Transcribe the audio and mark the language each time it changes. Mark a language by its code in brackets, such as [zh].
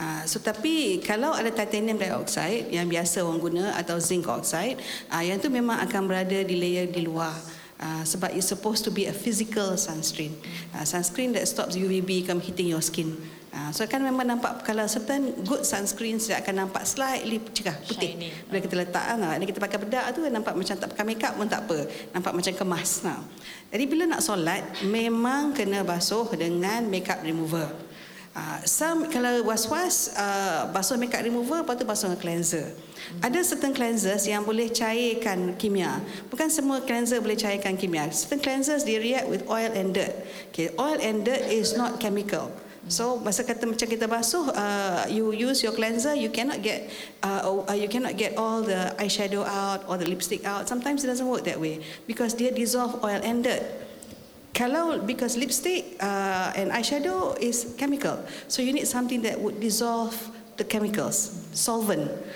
[ms] So tapi kalau ada titanium dioxide yang biasa orang guna atau zinc oxide, yang tu memang akan berada di layer di luar. Sebab [en] it's supposed to be a physical sunscreen. Sunscreen that stops UVB from hitting your skin. [ms] So kan memang nampak, kalau [en] certain good sunscreen [ms] dia akan nampak [en] slightly [ms] cerah, putih. Shiny. Bila kita letak, kan, kita pakai bedak tu nampak macam tak pakai makeup pun tak apa. Nampak macam kemas. Nah. Jadi bila nak solat, memang kena basuh dengan makeup remover. Kalau was-was, basuh makeup remover, lepas tu basuh dengan cleanser. Ada certain cleansers yang boleh cairkan kimia. Bukan semua cleanser boleh cairkan kimia. [en] Certain cleansers, they react with oil and dirt. Okay, oil and dirt is not chemical. So [ms] masa kata macam kita basuh, [en] you use your cleanser, you cannot get all the eyeshadow out or the lipstick out. Sometimes it doesn't work that way because [ms] dia [en] dissolve oil and dirt. [ms] Kalau [en] because lipstick and eyeshadow is chemical, so you need something that would dissolve the chemicals, solvent.